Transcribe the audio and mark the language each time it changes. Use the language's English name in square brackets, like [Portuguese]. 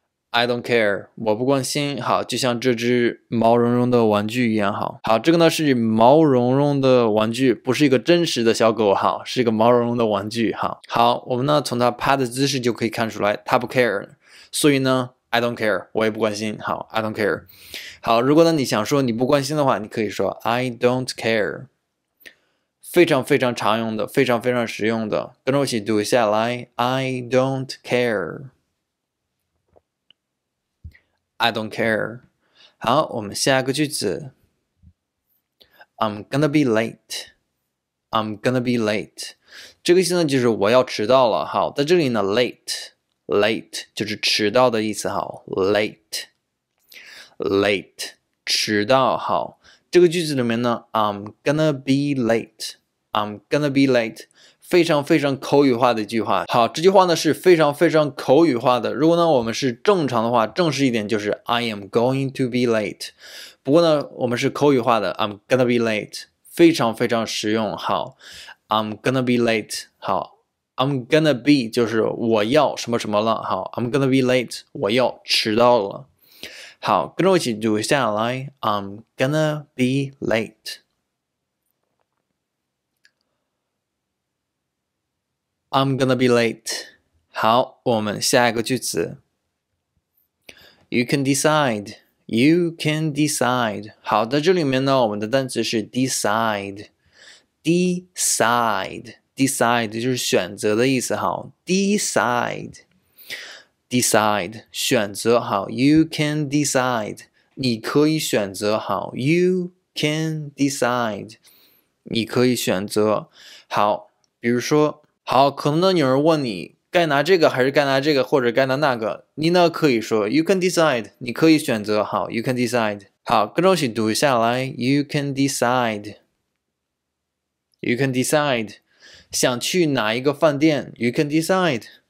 [English] I don't care, [Chinese] 我不关心。好，就像这只毛茸茸的玩具一样。好，好，这个呢是毛茸茸的玩具，不是一个真实的小狗。好，是一个毛茸茸的玩具。好，好，我们呢从它趴的姿势就可以看出来，它不 care。所以呢 ， [English] I don't care, [Chinese] 我也不关心。 [English] 好 ，I don't care。 [Chinese] 好，如果呢你想说你不关心的话，你可以说 [English] I don't care。 [Chinese] 非常非常常用的，非常非常实用的，跟着我一起读一下来 ， [English] I don't care。 I don't care. [Chinese] 好，我们下一个句子。 [English] I'm gonna be late. I'm gonna be late. [Chinese] 这个意思呢，就是我要迟到了。好，在这里呢 ，late, late 就是迟到的意思。好 ，late, late 迟到。好，这个句子里面呢 ， [English] I'm gonna be late. I'm gonna be late. [Chinese] 非常非常口语化的一句话。好，这句话呢是非常非常口语化的。如果呢我们是正常的话，正式一点就是 [English] I am going to be late。 [Chinese] 不过呢我们是口语化的 [English] I'm gonna be late， [Chinese] 非常非常实用。 [English] 好， I'm gonna be late。 [Chinese] 好， I'm gonna be 就是我要什么什么了。好， [English] I'm gonna be late， [Chinese] 我要迟到了。好，跟着我一起读下来。 [English] I'm gonna be lateI'm gonna be late. [Chinese] 好，我们下一个句子。 [English] You can decide. You can decide. [Chinese] 好，在这里面呢，我们的单词是 decide. [English] Decide. [Chinese] Decide 就是选择的意思。好 ，decide. Decide 选择。好 ， [English] You can decide. [Chinese] 你可以选择。好 ， [English] You can decide. [Chinese] 你可以选择。好，比如说。好，可能呢有人问你该拿这个还是该拿这个，或者该拿那个，你呢可以说 [English] You can decide， [Chinese] 你可以选择。好 ， [English] You can decide。 [Chinese] 好，跟着我一起读下来 ，You can decide。 [English] You can decide， [Chinese] 想去哪一个饭店 ？ [English] You can decide。